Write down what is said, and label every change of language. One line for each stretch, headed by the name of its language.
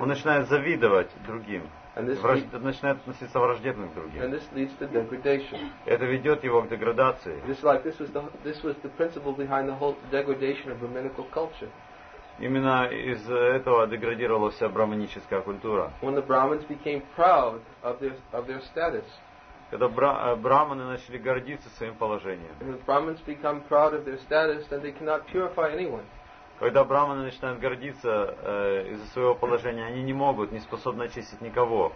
Russian: Он начинает завидовать другим. Начинает относиться враждебно к другим.
English: And this leads to degradation.
Russian: Это ведет его к деградации.
English: This was the principle behind the whole degradation of brahminical culture.
Russian: Именно из этого деградировала вся брахманическая культура.
English: When the Brahmins became proud of their status.
Russian: Когда брахманы начали гордиться своим положением.
English: When brahmins become proud of their status, then they cannot purify anyone.
Russian: Когда брахманы начинают гордиться из-за своего положения, они не могут, не способны очистить никого.